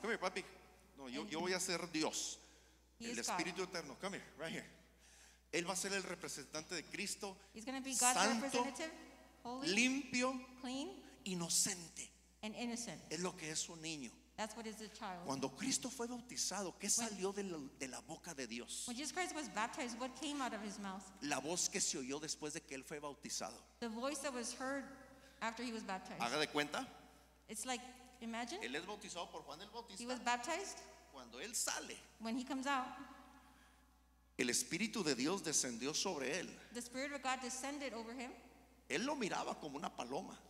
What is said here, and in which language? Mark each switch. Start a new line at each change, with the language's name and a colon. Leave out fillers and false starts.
English: Come here, papi.
Spanish: No, yo voy a ser Dios. El Espíritu Eterno.
English: Come here, right here.
Spanish: Él va a ser el representante de Cristo.
English: He's going to be God's
Spanish: santo,
English: representative. Holy.
Spanish: Limpio.
English: Clean.
Spanish: Inocente.
English: And innocent.
Spanish: Es lo que es un niño.
English: That's what is a child.
Spanish: Cuando Cristo fue bautizado, ¿qué salió de la boca de Dios?
English: When Jesus Christ was baptized, what came out of his mouth?
Spanish: La voz que se oyó después de que él fue bautizado.
English: The voice that was heard after he was baptized.
Spanish: Haga de cuenta.
English: It's like, imagine.
Spanish: Él es bautizado por Juan el Bautista.
English: He was baptized.
Spanish: Cuando él sale.
English: When he comes out.
Spanish: El Espíritu de Dios descendió sobre él.
English: The Spirit of God descended over him.
Spanish: Él lo miraba como una paloma.